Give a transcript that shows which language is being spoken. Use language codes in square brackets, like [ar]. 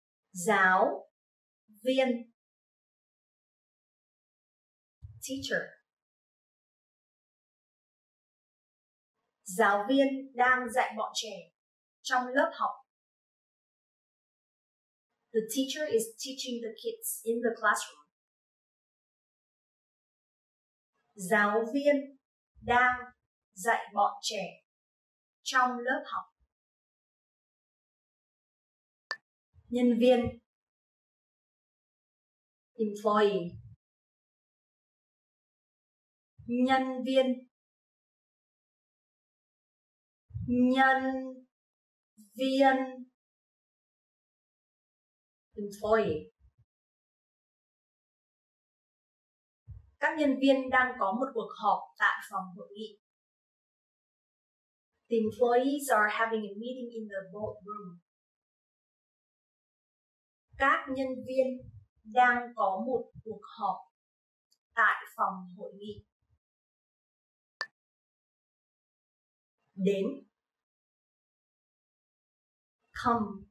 [vi] Giáo viên. [en] Teacher. [vi] giáo viên đang dạy bọn trẻ trong lớp học. [en] The teacher is teaching the kids in the classroom. [vi] Giáo viên đang dạy bọn trẻ trong lớp học. Nhân viên. [en] Employee. [vi] Nhân viên. Nhân viên. [en] Employee. [vi] Các nhân viên đang có một cuộc họp tại phòng hội nghị. [en] The employees are having a meeting in the boardroom. [vi] Các nhân viên đang có một cuộc họp tại phòng hội nghị. Đến. [en] Come.